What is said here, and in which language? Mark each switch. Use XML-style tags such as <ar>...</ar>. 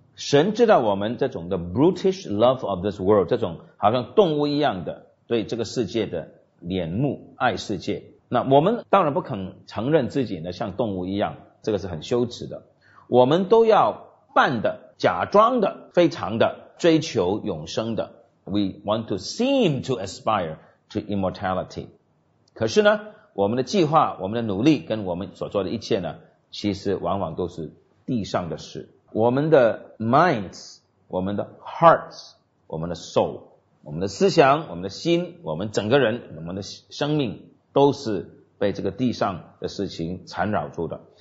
<zh>神知道我们这种的</zh> <en>brutish love of this world，</en> <zh>这种好像动物一样的对这个世界的怜慕，爱世界。那我们当然不肯承认自己呢像动物一样，这个是很羞耻的。我们都要扮的、假装的、非常的追求永生的。</zh> <en>We want to seem to aspire to immortality。</en> <zh>可是呢，我们的计划、我们的努力跟我们所做的一切呢，其实往往都是地上的事。我们的 minds， 我们的 hearts， 我们的 soul，我们的思想，我们的心，我们整个人，我们的生命都是被这个地上的事情缠绕住的。</zh>